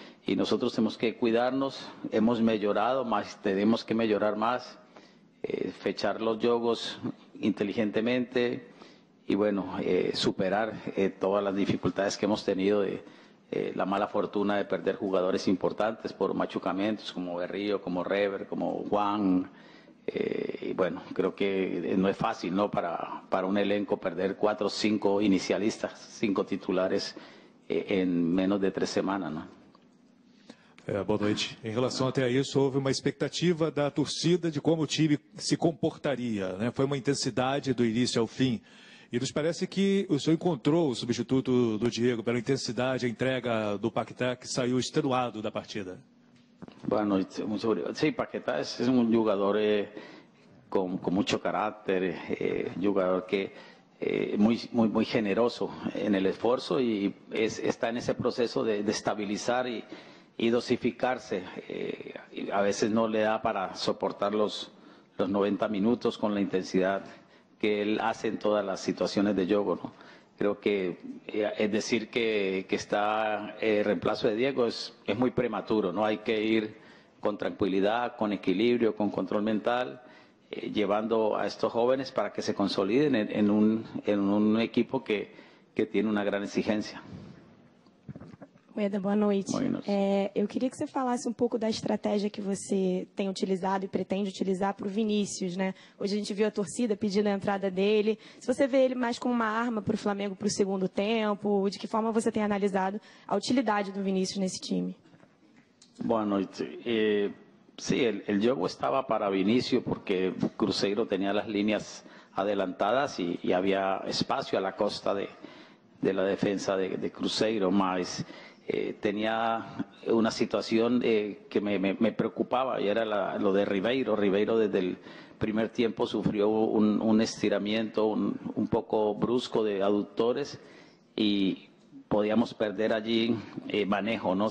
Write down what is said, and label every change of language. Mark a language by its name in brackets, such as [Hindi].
[Spanish] Y nosotros tenemos que cuidarnos, hemos mejorado, más tenemos que mejorar más, fechar los juegos inteligentemente y bueno, superar todas las dificultades que hemos tenido de la mala fortuna de perder jugadores importantes por machucamientos como Berrío, como Rever, como Juan. Y bueno, creo que no es fácil, ¿no? Para un elenco perder cuatro o cinco inicialistas, cinco titulares en menos de 3 semanas, ¿no? [Portuguese] Boa noite. Em relação até a isso, houve uma expectativa da torcida de como o time se comportaria, né? Foi uma intensidade do início ao fim. E nos parece que o senhor encontrou o substituto do Diego pela intensidade, a entrega do Paquetá, que saiu extenuado da partida. Boa noite. Muito obrigado. Sim, Paquetá é um jogador com muito caráter, jogador que é muito, muito, muito generoso no esforço e está nesse processo de estabilizar e dosificar-se. A vezes não lhe dá para suportar os 90 minutos com a intensidade que ele faz em todas as situações de jogo, ¿no? [Spanish] Creo que es decir que está el reemplazo de Diego es muy prematuro, ¿no? Hay que ir con tranquilidad, con equilibrio, con control mental, llevando a estos jóvenes para que se consoliden en un equipo que tiene una gran exigencia. [Portuguese] Ueda, boa noite. [Spanish] Buenos. [Portuguese] Eu queria que você falasse um pouco da estratégia que você tem utilizado e pretende utilizar para o Vinícius, né? Hoje a gente viu a torcida pedindo a entrada dele. Se você vê ele mais como uma arma para o Flamengo para o segundo tempo, de que forma você tem analisado a utilidade do Vinícius nesse time? Boa noite. Sim, el jogo estava para Vinícius porque Cruzeiro tinha as linhas adelantadas e havia espaço à costa [Spanish] de la defensa de Cruzeiro, [Portuguese] mas [Spanish] tenía una situación que me preocupaba, y era lo de Ribeiro. Ribeiro desde el primer tiempo sufrió un estiramiento un poco brusco de aductores y podíamos perder allí manejo, ¿no?